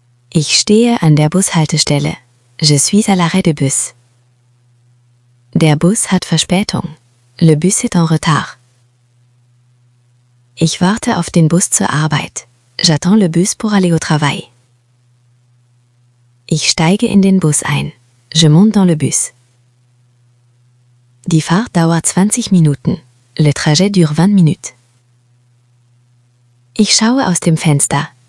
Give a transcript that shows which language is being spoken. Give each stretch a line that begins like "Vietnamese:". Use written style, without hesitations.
German: Ich stehe an der Bushaltestelle.
French: Je suis à l'arrêt de bus.
German: Der Bus hat Verspätung.
French: Le bus est en retard.
German: Ich warte auf den Bus zur Arbeit.
French: J'attends le bus pour aller au travail.
German: Ich steige in den Bus ein.
French: Je monte dans le bus.
German: Die Fahrt dauert 20 Minuten.
French: Le trajet dure 20 minutes.
German: Ich schaue aus dem Fenster.